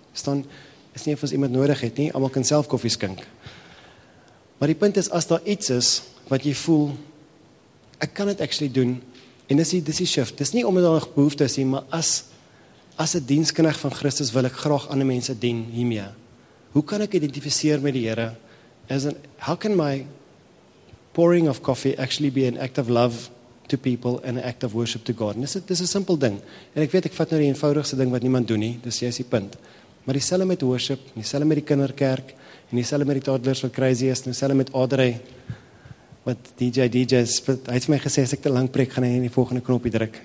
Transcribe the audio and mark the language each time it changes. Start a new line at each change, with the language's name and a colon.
Afrikaans: Staan is nie of ons iemand nodig het nie, almal kan self koffie skink. Maar die punt is as daar iets is wat jy voel ek kan het actually doen en dis die shift. Dis nie omdat daar 'n behoefte is nie, maar as 'n dienskneg van Christus wil ek graag ander mense dien hiermee. Hoe kan ek identifiseer met die Here?
English: How can my pouring of coffee actually be an act of love to people and an act of worship to God?
Afrikaans: Dis is 'n simpel ding. En ek weet ek vat nou die eenvoudigste ding wat niemand doen nie. Dis jy is die punt. Maar dieselfde met worship, dieselfde met die kinderkerk en dieselfde met die toddlers wat crazy is, dieselfde met Audrey wat DJ is. Hy het vir my gesê as ek te lang preek gaan hy die volgende knoppie druk.